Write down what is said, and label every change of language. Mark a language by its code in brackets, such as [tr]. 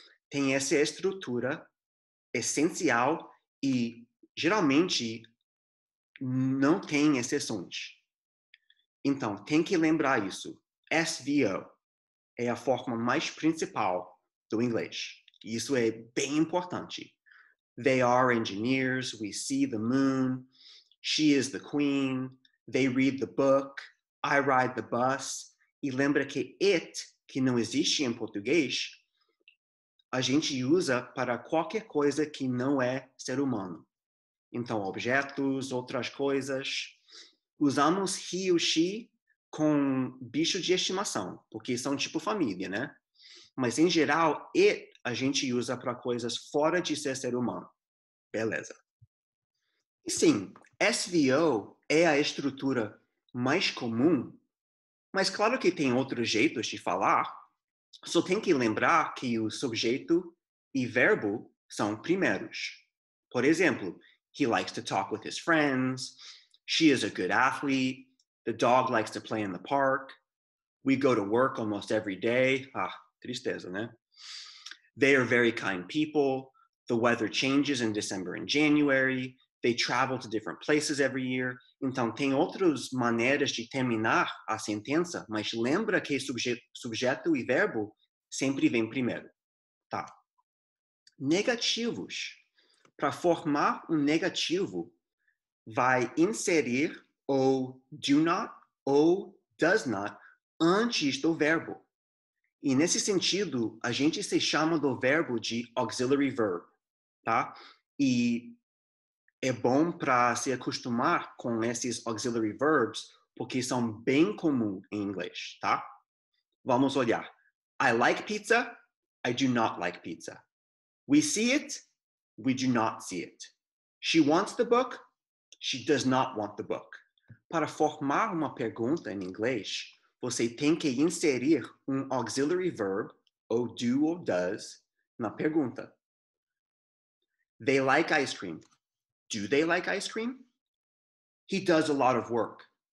[pt] Tem essa estrutura essencial e, geralmente, não tem exceções. Então, tem que lembrar isso. SVO é a forma mais principal do inglês. E isso é bem importante. [en] They are engineers, we see the moon, she is the queen, they read the book, I ride the bus. [pt] E lembra que it, que não existe em português, a gente usa para qualquer coisa que não é ser humano. Então, objetos, outras coisas. Usamos he ou she com bicho de estimação, porque são tipo família, né? Mas, em geral, it a gente usa para coisas fora de ser humano. Beleza. Sim, SVO é a estrutura mais comum, mas claro que tem outros jeitos de falar. Só tem que lembrar que o sujeito e verbo são primeiros. Por exemplo, [en] he likes to talk with his friends, she is a good athlete, the dog likes to play in the park, we go to work almost every day. [pt] Ah, tristeza, né? [en] They are very kind people. The weather changes in December and January. They travel to different places every year. [pt] Então, tem outras maneiras de terminar a sentença, mas lembra que sujeito e verbo sempre vem primeiro. Tá. Negativos. Para formar negativo, vai inserir ou do not ou does not antes do verbo. E nesse sentido, a gente se chama do verbo de auxiliary verb, tá? E é bom para se acostumar com esses auxiliary verbs, porque são bem comuns em inglês, tá? Vamos olhar. [en] I like pizza, I do not like pizza. We see it, we do not see it. She wants the book, she does not want the book. [pt] Para formar uma pergunta em inglês, você tem que inserir auxiliary verb, ou do or does, na pergunta. [en] They like ice cream. Do they like ice cream? He does a lot of work.